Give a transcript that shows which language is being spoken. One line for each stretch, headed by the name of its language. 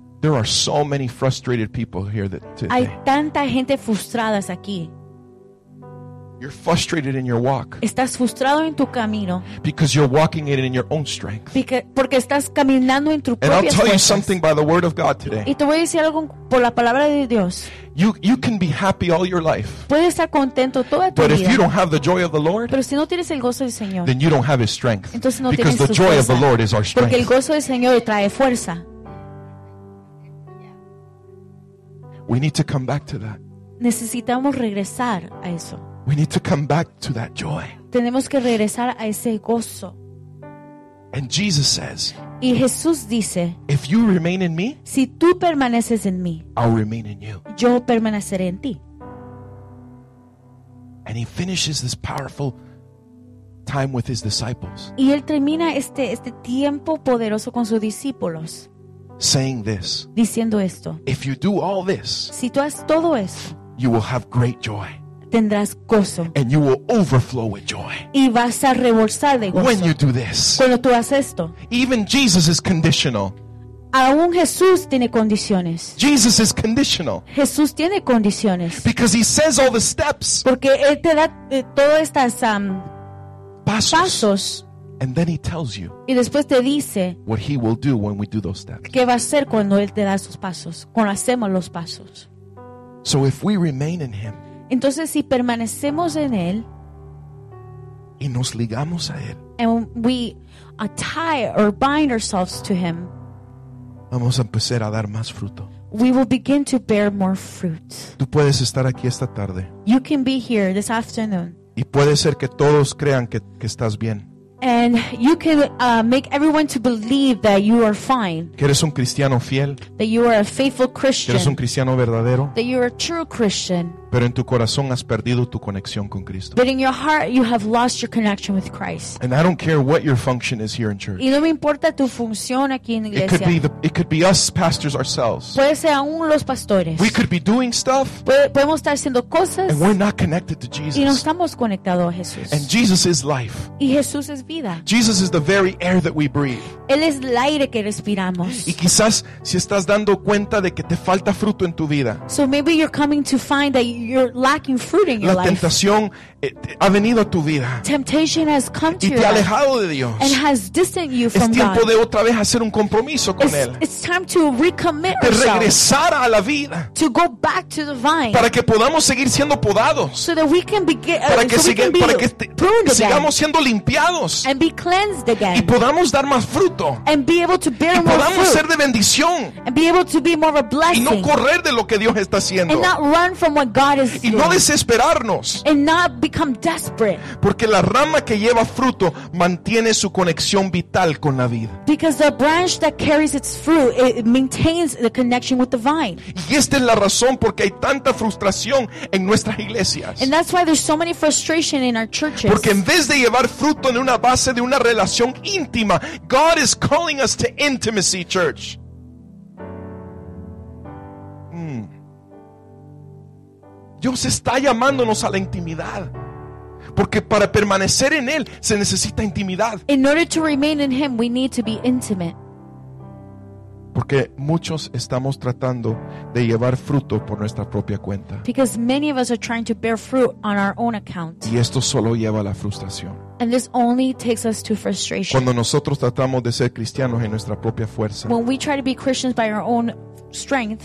English: There are so many frustrated people here that today.
Spanish: Hay tanta gente frustradas aquí.
English: You're frustrated in your walk.
Spanish: Estás frustrado en tu camino.
English: Because you're walking it in your own strength.
Spanish: Porque estás caminando en tu propia fuerza.
English: And I'll tell you something by the word of God today.
Spanish: Y te voy a decir algo por la palabra de Dios.
English: You can be happy all your life.
Spanish: Puedes estar contento toda tu vida.
English: But if you don't have the joy of the Lord,
Spanish: pero si no tienes el gozo del Señor,
English: then you don't have His strength.
Spanish: Entonces no tienes su fuerza.
English: Because the joy of the Lord is our strength.
Spanish: Porque el gozo del Señor trae fuerza.
English: We need to come back to that.
Spanish: Necesitamos regresar a eso.
English: We need to come back to that joy.
Spanish: Tenemos que regresar a ese gozo.
English: And Jesus says,
Spanish: y Jesús dice,
English: if you remain in me,
Spanish: si tú permaneces en mí,
English: I'll remain in you.
Spanish: Yo permaneceré en ti.
English: And he finishes this powerful time with his disciples.
Spanish: Y él termina este tiempo poderoso con sus discípulos.
English: Saying this,
Spanish: diciendo esto,
English: if you do all this,
Spanish: si tú haces todo eso,
English: you will have great joy,
Spanish: tendrás gozo,
English: and you will overflow with joy,
Spanish: y vas a rebosar de gozo.
English: When you do this,
Spanish: cuando tú haces esto,
English: even Jesus is conditional.
Spanish: Aún Jesús tiene condiciones.
English: Jesus is conditional.
Spanish: Jesús tiene condiciones.
English: Because he says all the steps.
Spanish: Porque él te da todas estas pasos.
English: And then he tells you,
Spanish: y después te dice,
English: what he will do when we do those steps.
Spanish: ¿Qué va a hacer cuando él te da sus pasos, cuando hacemos los pasos?
English: So if we remain in him,
Spanish: entonces si permanecemos en él, y nos ligamos a él,
English: and we tie or bind ourselves to him,
Spanish: vamos a empezar a dar más fruto.
English: We will begin to bear more fruit.
Spanish: Tú puedes estar aquí esta tarde.
English: You can be here this afternoon.
Spanish: Y puede ser que todos crean que estás bien.
English: And you can make everyone to believe that you are fine.
Spanish: Que eres un cristiano fiel.
English: That you are a faithful Christian.
Spanish: Que eres un cristiano verdadero.
English: That you are a true Christian.
Spanish: Pero en tu corazón has perdido tu conexión con Cristo.
English: But in your heart you have lost your connection with Christ. And I don't care what your function is here in church.
Spanish: Y no me importa tu función aquí en la iglesia.
English: It could be us pastors ourselves.
Spanish: Puede ser aún los pastores.
English: We could be doing stuff.
Spanish: Podemos estar haciendo cosas.
English: And we're not connected to Jesus.
Spanish: Y no estamos conectados a Jesús.
English: And Jesus is life.
Spanish: Y Jesús es vida.
English: Jesus is the very air that we breathe.
Spanish: Él es el aire que respiramos. Y quizás si estás dando cuenta de que te falta fruto en tu vida.
English: So maybe you're coming to find that you're lacking fruit in your life.
Spanish: La tentación ha venido a tu vida.
English: Temptation has come to you.
Spanish: Y te ha alejado de Dios.
English: And has distanced you from God.
Spanish: Es tiempo de otra vez hacer un compromiso con él.
English: It's time to recommit ourselves.
Spanish: De regresar a la vida.
English: To go back to the vine.
Spanish: Para que podamos seguir siendo podados.
English: So that we can begin.
Spanish: Para que sigamos siendo limpiados.
English: And be cleansed again.
Spanish: Y podamos dar más fruto.
English: And be able to bear more fruit.
Spanish: Y podamos ser de bendición.
English: And be able to be more of a blessing.
Spanish: Y no correr de lo que Dios está haciendo.
English: And not run from what God is
Spanish: y no desesperarnos.
English: And not become desperate.
Spanish: Porque la rama que lleva fruto mantiene su conexión vital con la vida.
English: Because the branch that carries its fruit, it maintains the connection with the vine.
Spanish: Y esta es la razón porque hay tanta frustración en nuestras iglesias.
English: And that's why there's so many frustration in our churches.
Spanish: Porque en vez de llevar fruto en una base de una relación íntima,
English: God is calling us to intimacy, church.
Spanish: Dios está llamándonos a la intimidad. Porque para permanecer en Él se necesita intimidad.
English: In order to remain in Him, we need to be intimate.
Spanish: Porque muchos estamos tratando de llevar fruto por nuestra propia cuenta.
English: Because many of us are trying to bear fruit on our own account.
Spanish: Y esto solo lleva a la frustración.
English: And this only takes us to frustration.
Spanish: Cuando nosotros tratamos de ser cristianos en nuestra propia fuerza.
English: When we try to be Christians by our own strength,